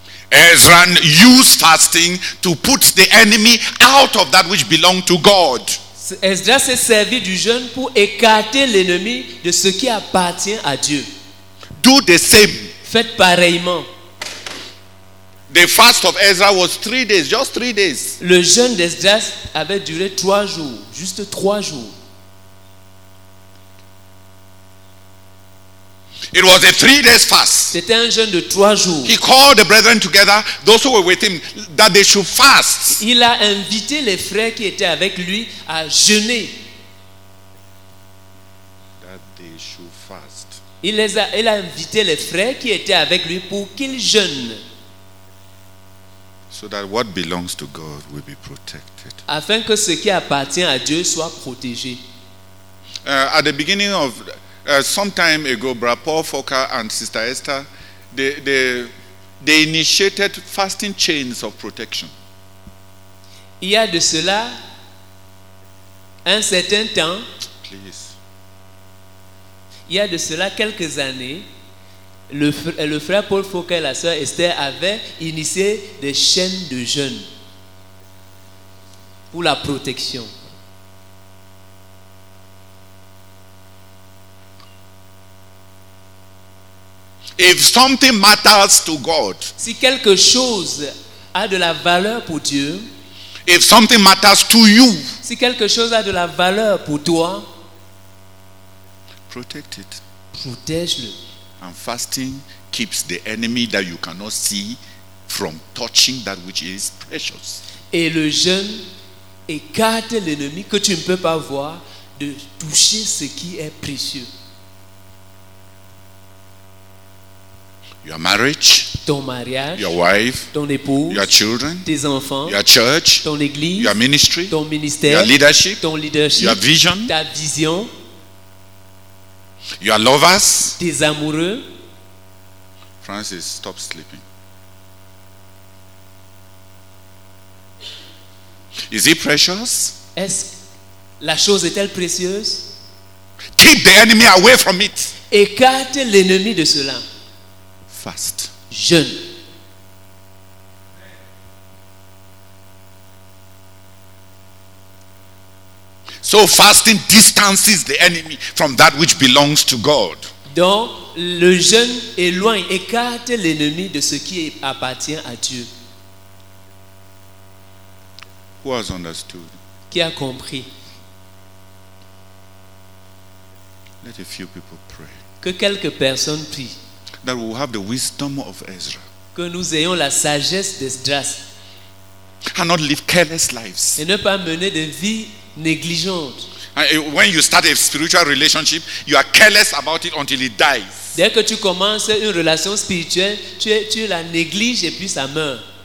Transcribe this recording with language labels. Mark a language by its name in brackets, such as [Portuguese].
[English] Ezra used fasting to put the enemy out of that which belonged to God. [French] Ezra s'est servi du jeûne pour écarter l'ennemi de ce qui appartient à Dieu. [English] Do the same. [French] Faites pareillement. [English] The fast of Ezra was 3 days, just 3 days. [French] Le jeûne d'Ezra avait duré 3 jours, juste 3 jours. [English] It was a 3 days fast. [French] C'était un jeûne de 3 jours. [English] He called the brethren together, those who were with him, that they should fast. [French] Il a invité les frères qui étaient avec lui à jeûner. [English] That they should fast. [French] Il a invité les frères qui étaient avec lui pour qu'ils jeûnent. [English] So that what belongs to God will be protected. [French] Afin que ce qui appartient à Dieu soit protégé. [English] At the beginning of some time ago, Brother Paul Fokker and Sister Esther, they initiated fasting chains of protection. [French] Il y a de cela un certain temps. [English] Please. [French] Il y a de cela quelques années, le frère Paul Fokker et la sœur Esther avaient initié des chaînes de jeûne pour la protection. [English] If something matters to God, [French] si quelque chose a de la valeur pour Dieu, [English] if something matters to you, [French] si quelque chose a de la valeur pour toi, [English] protect it. [French] Protège-le. [English] And fasting keeps the enemy that you cannot see from touching that which is precious. [French] Et le jeûne écarte l'ennemi que tu ne peux pas voir de toucher ce qui est précieux. [English] Your marriage, [French] ton mariage, [English] your wife, [French] ton épouse, [English] your children, [French] tes enfants, [English] your church, [French] ton église, [English] your ministry, [French] ton ministère, [English] your leadership, [French] ton leadership, [English] your vision, [French] ta vision, [English] your lovers, [French] tes amoureux. [English] Francis, stop sleeping. Is it precious? [French] Est-ce la chose est-elle précieuse? [English] Keep the enemy away from it. [French] Écarte l'ennemi de cela. [English] Fast. [French] Jeûne. [English] So fasting distances the enemy from that which belongs to God. [French] Donc le jeûne éloigne, écarte l'ennemi de ce qui appartient à Dieu. [English] Who has understood? [French] Qui a compris? [English] Let a few people pray. [French] Que quelques personnes prient. [English] That we will have the wisdom of Ezra. [French] Que nous ayons la sagesse d'Esdras. [English] And not live careless lives. [French] Et ne pas mener de vie négligente. [English] When you start a spiritual relationship, you are careless about it until it dies. [French] Dès que tu commences une relation spirituelle, tu la négliges et puis ça meurt.